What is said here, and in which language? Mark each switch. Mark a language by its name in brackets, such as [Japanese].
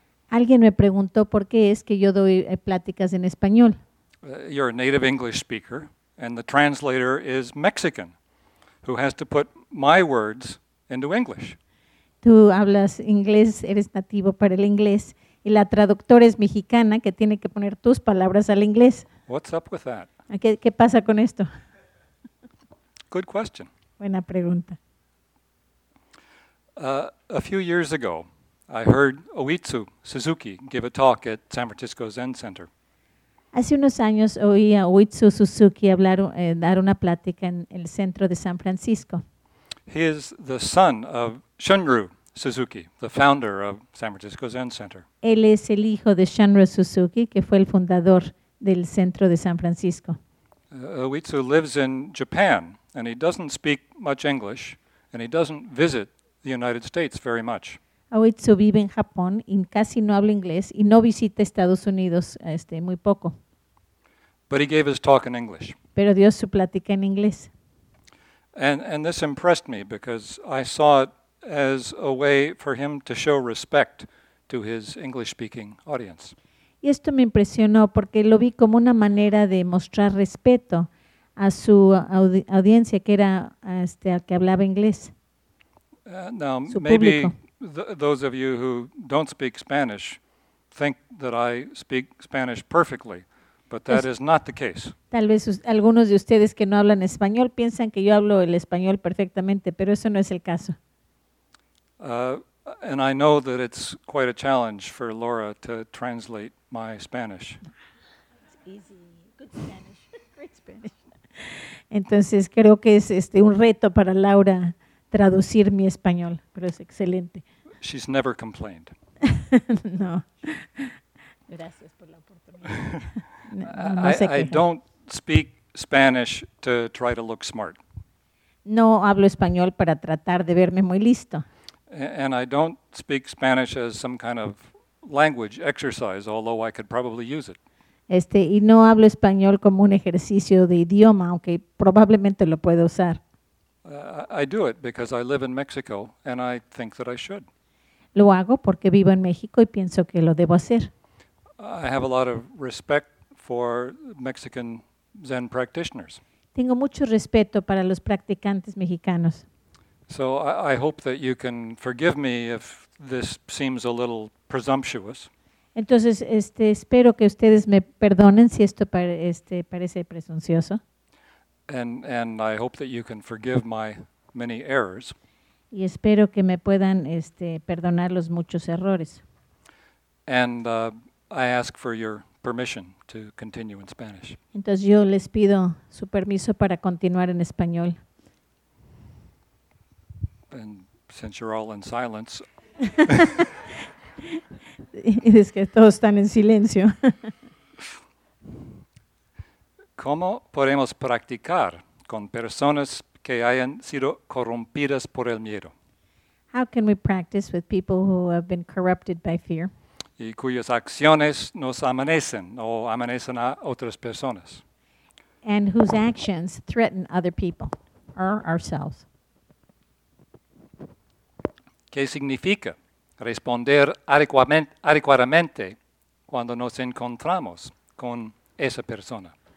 [Spanish] Alguien me preguntó por qué es que yo doy pláticas en español. [English] You're a native English speaker, and the translator is Mexican, who has to put my words into English. [Spanish] Tú hablas inglés, eres nativo para el inglés. Y la traductora es mexicana que tiene que poner tus palabras al inglés. [English] What's up with that? [Spanish] ¿Qué pasa con esto? [English] Good question. [Spanish] Buena pregunta. [English] A few years ago, I heard Oitsu Suzuki give a talk at San Francisco Zen Center. [Spanish] Hace unos años oí a Oitsu Suzuki hablar, dar una plática en el centro de San Francisco. [English] He is the son of Shunryu Suzuki, the founder of San Francisco Zen Center. [Spanish] Él es el hijo de Shunryu Suzuki, que fue el fundador del centro de San Francisco. [English] Oitsu lives in Japan, and he doesn't speak much English, and he doesn't visit the United States very much. [Spanish] Oitsu vive en Japón y casi no habla inglés y no visita Estados Unidos muy poco. [English] But he gave his talk in English. [Spanish] Pero dio su plática en inglés. [English] And this impressed me because I saw it as a way for him to show respect to his English-speaking audience. [Spanish] Y esto me impresionó porque lo vi como una manera de mostrar respeto a su audiencia que era al que hablaba inglés. [English] Now, su maybe those of you who don't speak Spanish think that I speak Spanish perfectly, but that is not the case. [Spanish] Tal vez algunos de ustedes que no hablan español piensan que yo hablo el español perfectamente, pero eso no es el caso. [English] And I know that it's quite a challenge for Laura to translate my Spanish. It's easy. Good Spanish. Great Spanish. [Spanish] Entonces, creo que es un reto para Laura traducir mi español, pero es excelente. [English] She's never complained. [Spanish] No. Gracias por la oportunidad. [English] I don't speak Spanish to try to look smart. [Spanish] No hablo español para tratar de verme muy listo. [English] And I don't speak Spanish as some kind of language exercise, although I could probably use it. [Spanish] Y no hablo español como un ejercicio de idioma, aunque probablemente lo puedo usar. [English] I do it because I live in Mexico and I think that I should. [Spanish] Lo hago porque vivo en México y pienso que lo debo hacer. [English] I have a lot of respect for Mexican Zen practitioners. [Spanish] Tengo mucho respeto para los practicantes mexicanos. [English] So I hope that you can forgive me if this seems a little presumptuous. [Spanish] Entonces, espero que ustedes me perdonen si esto parece presuncioso. [English] And I hope that you can forgive my many errors. [Spanish] Y espero que me puedan perdonar los muchos errores. [English] And I ask for your permission to continue in Spanish. [Spanish] Entonces yo les pido su permiso para continuar en español. [English] And since you're all in silence. [Spanish] Y es que todos están en silencio. ¿Cómo podemos practicar con personas que hayan sido corrompidas por el miedo? [English] How can we practice with people who have been corrupted by fear? [Spanish] Y cuyas acciones nos amenazan o amenazan a otras personas. [English] And whose actions threaten other people or ourselves. [Spanish] ¿Qué significa responder adecuadamente cuando nos encontramos con esa persona?